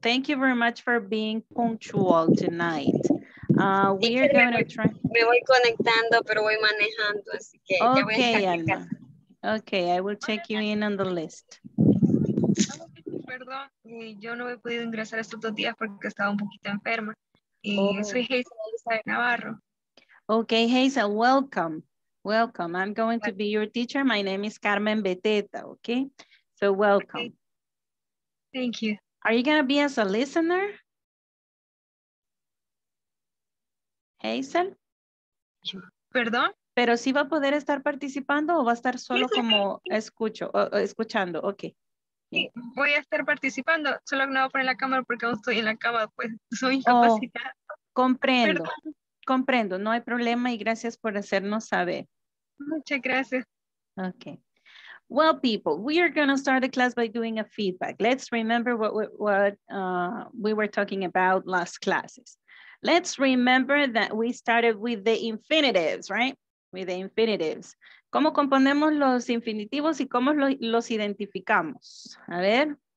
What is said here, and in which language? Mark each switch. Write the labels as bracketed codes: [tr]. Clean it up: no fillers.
[en] Thank you very much for being punctual tonight. We are going to try. [es] Me voy conectando, pero voy manejando, así que okay, ya voy a Ana. [en] Okay, I will check you in on the list. [es] Perdón, yo no he podido ingresar estos dos días porque estaba un poquito enferma. Y soy Hazel de Navarro. [en] Okay, Hazel, welcome. Welcome. I'm going to be your teacher. My name is Carmen Beteta. Okay. So welcome. Okay. Thank you. Are you going to be as a listener? Hazel? [es] Perdón? Pero si va a poder estar participando o va a estar solo como escuchando. [en] Okay. [es] Sí, voy a estar participando. Solo no voy a poner la cámara porque aún estoy en la cama. Pues soy incapacitada. Oh, comprendo. Perdón. Comprendo, no hay problema y gracias por hacernos saber. Muchas gracias. [en] Okay. Well, people, we are going to start the class by doing a feedback. Let's remember what we were talking about last classes. Let's remember that we started with the infinitives, right? With the infinitives. [es] ¿Cómo componemos los infinitivos y cómo los identificamos? A ver.